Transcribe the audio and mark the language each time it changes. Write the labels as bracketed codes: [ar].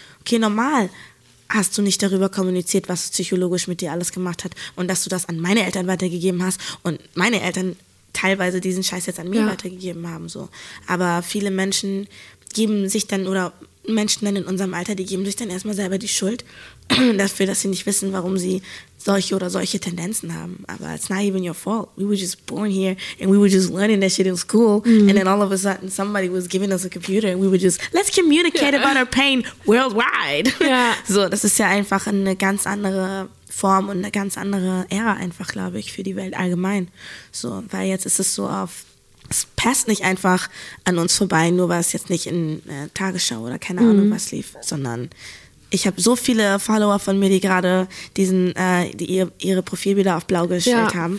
[de] Okay, normal hast du nicht darüber kommuniziert, was es psychologisch mit dir alles gemacht hat und dass du das an meine Eltern weitergegeben hast und meine Eltern teilweise diesen Scheiß jetzt an mir weitergegeben haben. So. Aber viele Menschen geben sich dann, oder Menschen dann in unserem Alter, die geben sich dann erstmal selber die Schuld dafür, dass sie nicht wissen, warum sie solche oder solche Tendenzen haben. [en] Aber it's not even your fault. We were just born here and we were just learning that shit in school. Mm-hmm. And then all of a sudden somebody was giving us a computer and we were just, let's communicate about our pain worldwide. [de] So, das ist ja einfach eine ganz andere Form und eine ganz andere Ära einfach, glaube ich, für die Welt allgemein. So, weil jetzt ist es so auf, es passt nicht einfach an uns vorbei, nur weil es jetzt nicht in Tagesschau oder keine Ahnung was lief, sondern ich habe so viele Follower von mir, die gerade diesen, die ihre Profilbilder auf blau gestellt haben.